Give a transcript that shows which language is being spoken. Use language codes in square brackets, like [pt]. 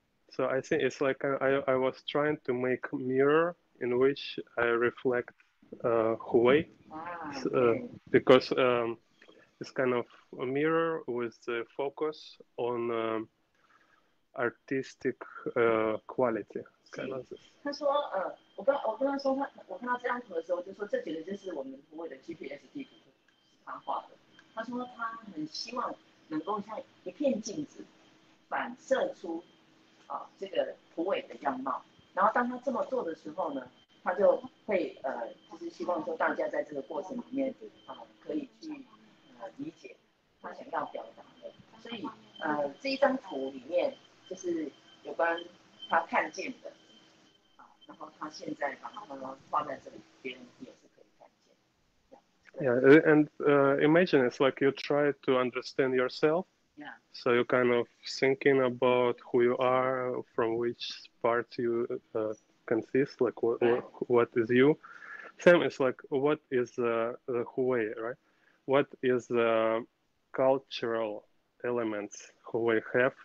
[en] So I think it's like I was trying to make a mirror in which I reflect Hue. Okay. Because it's kind of a mirror with a focus on artistic quality. Kind of this. [zh] 他说，我刚刚说他，我看到这张图的时候，就说这几个就是我们湖尾的 GPS 地图，是他画的。他说他很希望能够像一片镜子，反射出这个湖尾的样貌。然后当他这么做的时候呢，他就会就是希望说大家在这个过程里面可以去。理解他想要表达的，所以这一张图里面就是有关他看见的然后他现在把它放在这里，别人也是可以看见。 [en] Yeah, and imagine it's like you try to understand yourself. Yeah. So you're kind of thinking about who you are, from which part you consist, like what is you. Same is like what is the Hue, right? What is the cultural elements Hue have?